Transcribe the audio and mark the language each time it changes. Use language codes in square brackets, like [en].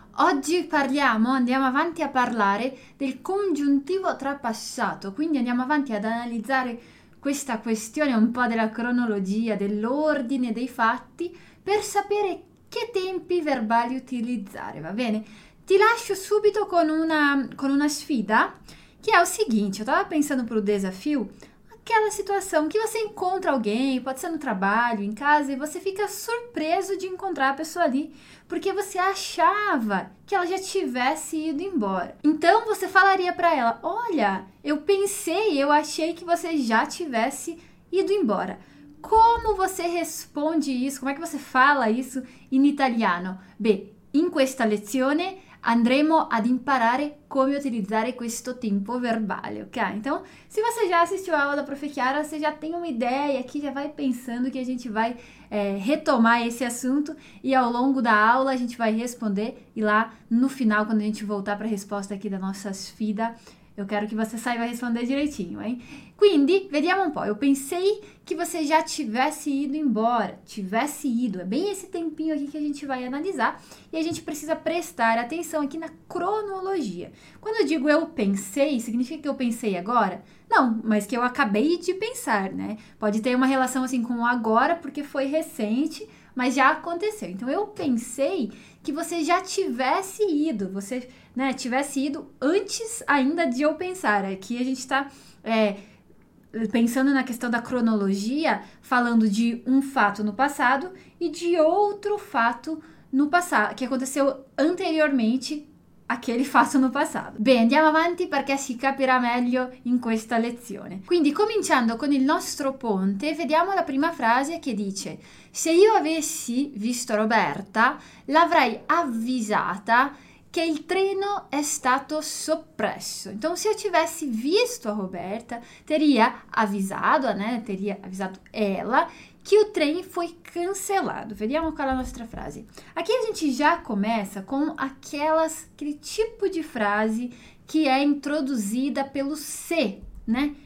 [it] Oggi parliamo, andiamo avanti a parlare del congiuntivo trapassato, quindi andiamo avanti ad analizzare questa questione un po' della cronologia, dell'ordine dei fatti, per sapere che tempi verbali utilizzare, va bene? Ti lascio subito con una sfida che è [pt] o seguinte, [it] stavo pensando [pt] pro desafio. Che è la situação que você encontra alguém, pode ser no trabalho, em casa, e você fica surpreso de encontrar a pessoa ali, porque você achava que ela já tivesse ido embora. Então você falaria para ela: "Olha, eu pensei, eu achei que você já tivesse ido embora." Como você responde isso? Como é que você fala isso em italiano? Bem, [it] in questa lezione andremo ad imparare come utilizzare questo tempo verbale, ok? [pt] Então, se você já assistiu a aula da Prof. Chiara, você já tem uma ideia aqui, já vai pensando que a gente vai retomar esse assunto e ao longo da aula a gente vai responder e lá no final, quando a gente voltar para a resposta aqui da nossa sfida, eu quero que você saiba responder direitinho, hein? [it] Quindi, vediamo um po'. [pt] Eu pensei que você já tivesse ido embora. Tivesse ido. É bem esse tempinho aqui que a gente vai analisar. E a gente precisa prestar atenção aqui na cronologia. Quando eu digo eu pensei, significa que eu pensei agora? Não, mas que eu acabei de pensar, né? Pode ter uma relação assim com agora, porque foi recente, mas já aconteceu. Então, eu pensei que você já tivesse ido. Você, né, tivesse ido antes ainda de eu pensar. Aqui a gente está, pensando na questão da cronologia, falando de um fato no passado e de outro fato no passado, que aconteceu anteriormente àquele fato no passado. [it] Bem, andiamo avanti perché si capirà meglio in questa lezione. Quindi, cominciando con il nostro ponte, vediamo la prima frase che dice: "Se io avessi visto Roberta, l'avrei avvisata che il treno è stato soppresso." [pt] Então, se eu tivesse visto a Roberta, teria avvisado, né? Teria avisado ela que o trem foi cancelado. [it] Vediamo [pt] qual é a nossa frase. Aqui a gente já começa com aquele tipo de frase que é introduzida pelo se, né?